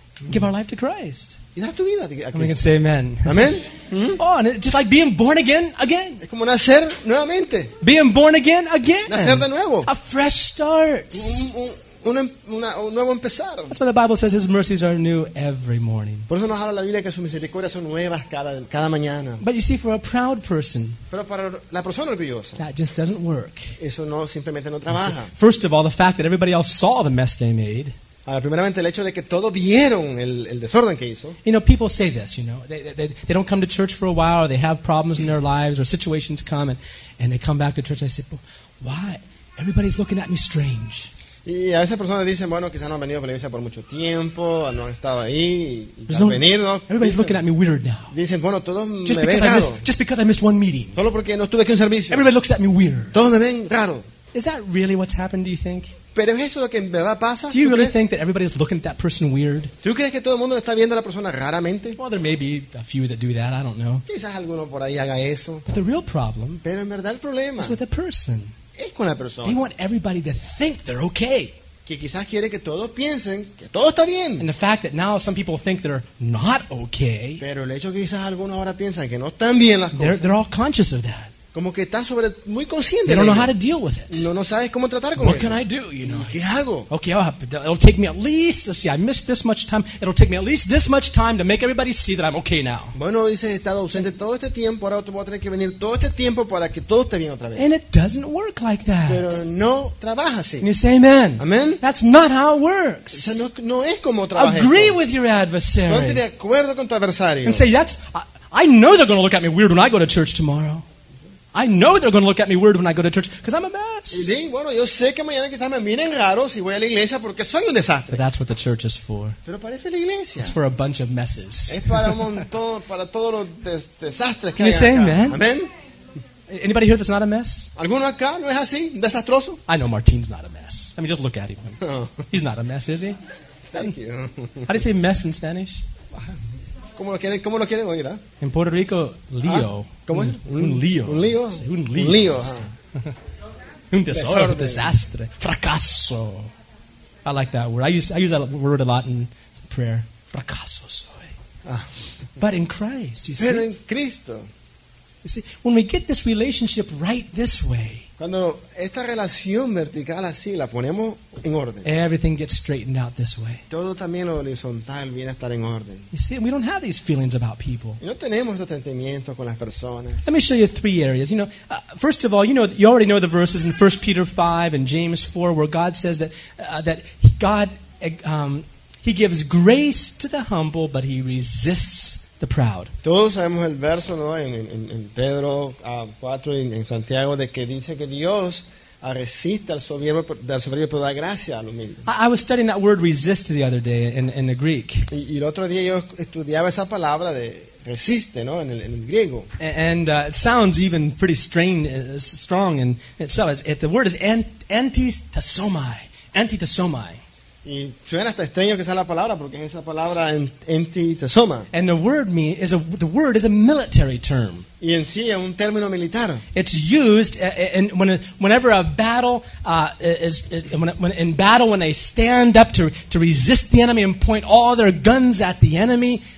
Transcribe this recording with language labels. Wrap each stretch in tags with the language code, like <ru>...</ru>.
<en>Give our life to Christ.</en> <es>Y da tu vida a Cristo.</es> <en>And we can say amen.</en> <es>Amen. Mm-hmm.</es> <en>Oh, and it's just like being born again.</en> <es>Es como nacer nuevamente.</es> <en>Being born again.</en> <es>Nacer de nuevo.</es> <en>A fresh start.</en> <es>Un nuevo empezar.</es> <en>That's why the Bible says His mercies are new every morning.</en> <es>Por eso nos habla la Biblia que sus misericordias son nuevas cada mañana.</es> <en>But you see, for a proud person,</en> <es>pero para la persona orgullosa,</es> <en>that just doesn't work.</en> <es>Eso no, simplemente no trabaja.</es> <en>See, first of all, the fact that everybody else saw the mess they made.</en> <es>Ahora, primeramente, el hecho de que todos vieron el desorden que hizo.</es> <en>You know, people say this, you know. They don't come to church for a while, or they have problems in their lives, or situations come, and they come back to church. I say, "Why? Everybody's looking at me strange."</en> <es>Y a veces personas dicen, bueno, quizás no han venido a la iglesia por mucho tiempo, no han estado ahí, y al venir, ¿no?</es> <en>Everybody's</en> <es>dicen,</es> <en>looking at me weird now.</en> <es>Dicen, bueno, todos</es> <en>just</en> <es>me ven raro.</es> <en>Just because I missed one meeting.</en> <es>Solo porque no estuve aquí un servicio.</es> <en>Everybody looks at me weird.</en> <es>Todos me ven raro.</es> <en>Is that really what's happened, do you think?</en> <es>Pero ¿es eso lo que en verdad pasa?</es> <en>Do you really think that everybody is looking at that person weird?</en> <es>¿Tú crees que todo el mundo está viendo a la persona raramente?</es> <en>Well, there may be a few that do that, I don't know.</en> <es>Quizás alguno por ahí haga eso.</es> <en>But the real problem,</en> <es>pero en verdad el problema,</es> <en>is with the person.</en> <es>Es con la persona.</es> <en>They want everybody to think they're okay.</en> <es>Que quizás quiere que todos piensen que todo está bien.</es> <en>And the fact that now some people think they're not okay.</en> <es>Pero el hecho que quizás algunos ahora piensan que no están bien las cosas.</es> <en>They're all conscious of that.</en> <es>Como que está sobre muy consciente.</es> <en>They don't know how to deal with it.</en> <es>No sabes cómo tratar con</es> <en>What</en> <es>eso.</es> <en>Can I do? You know.</en> <es>¿Qué hago?</es> <en>Okay, it'll take me at least. Let's see, I missed this much time. It'll take me at least this much time to make everybody see that I'm okay now.</en> <es>Bueno, dices, he estado ausente todo este tiempo. Ahora voy a tener que venir todo este tiempo para que todo esté bien otra vez.</es> <en>And it doesn't work like that.</en> <es>Pero no trabaja así.</es> <en>And you say, amen.</en> <es>Amen.</es> <en>That's not how it works.</en> <es>O sea, no es como trabaja.</es> <en>Agree esto. With your adversary.</en> <es>Ponte de acuerdo con tu adversario.</es> <en>And say, that's. I know they're going to look at me weird when I go to church tomorrow. I know they're going to look at me weird when I go to church because I'm a mess.</en> <es>Sí, bueno, yo sé que mañana quizás me miren raro si voy a la iglesia porque soy un desastre.</es> <en>But that's what the church is for.</en> <es>Pero parece la iglesia.</es> <en>It's for a bunch of messes.</en> <es>Es para un montón, para todos los desastres que</es> <en>Can</en> <es>hay</es> <en>you say</en> <es>acá.</es> <en>Amen?</en> <es>Amen?</es> <en>Anybody here that's not a mess?</en> <es>¿Alguno acá no es así? ¿Desastroso?</es> <en>I know Martín's not a mess. I mean, just look at him. Oh. He's not a mess, is he? Thank you. How do you say mess in Spanish?</en> <es>¿Cómo lo quieren oír, ¿eh? En Puerto Rico, lío. Ah, ¿cómo es? Un lío. Un lío. Sí, un lío. Un lío. Un desorden. Un desastre. Fracaso.</es> <en>I like that word. I use that word a lot in prayer.</en> <es>Fracaso soy.</es> <en>Ah. But in Christ, you</en> <es>Pero Pero en Cristo.</es> <en>You see, when we get this relationship right this way,</en> <es>cuando esta relación vertical así la ponemos en orden.</es> <en>Everything gets straightened out this way.</en> <es>Todo también lo horizontal viene a estar en orden.</es> <en>You see, we don't have these feelings about people.</en> <es>Y no tenemos estos sentimientos con las personas.</es> <en>Let me show you three areas. You know, first of all, you know, you already know the verses in 1 Peter 5 and James 4 where God says that God gives grace to the humble, but he resists the proud.</en> <es>Todos sabemos el verso, ¿no? En Pedro 4 y en Santiago de que dice que Dios resiste al soberbio, pero da gracia al humilde.</es> <en>I was studying that word resist the other day in the Greek.</en> <es>Y el otro día yo estudiaba esa palabra de resiste, ¿no? En el griego.</es> <en>And it sounds even pretty strong in itself. The word is antitasomai. Antitasomai.</en> <es>Y suena hasta extraño que sea la palabra porque es esa palabra en ti te asoma.</es> <en>And the word me is a the word is a military term.</en> <es>Y en sí es un término militar.</es> <en>It's used in whenever a battle when they stand up to resist the enemy and point all their guns at the enemy.</en>